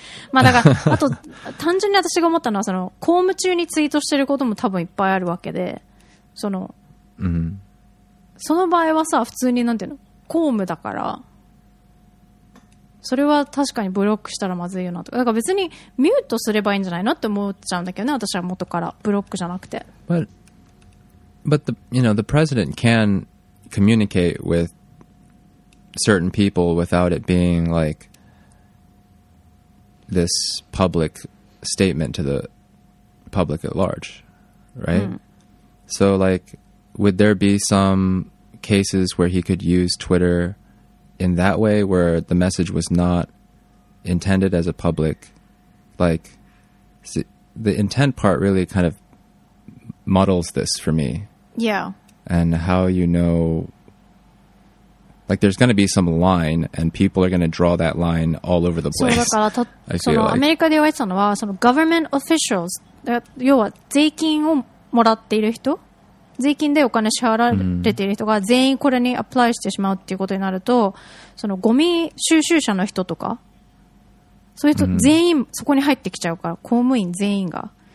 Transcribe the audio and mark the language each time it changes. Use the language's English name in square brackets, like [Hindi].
[Japanese] まあだから、あと、単純に私が思ったのは、その、公務中にツイートしてることも多分いっぱいあるわけで、その、 mm-hmm. その場合はさ、普通になんていうの、公務だから、それは確かにブロックしたらまずいよなとか、だから別にミュートすればいいんじゃないのって思っちゃうんだけどね、私は元から、ブロックじゃなくて。 [English] But the, you know, the president can communicate withcertain people without it being like this public statement to the public at large, right? Mm. So like, would there be some cases where he could use Twitter in that way where the message was not intended as a public, like, the intent part really kind of muddles this for me. Yeah. And how you know... Like, there's going to be some line, and people are going to draw that line all over the place. [Japanese] そうだから、 [English] I feel [Japanese] そのアメリカで言われてたのは、その [English] government officials、 [Japanese] 要は税金をもらっている人、税金でお金支払われている人が全員これにアプライしてしまうっていうことになると、うん、そのゴミ収集車の人とか、そういう人全員そこに入ってきちゃうから、公務員全員が。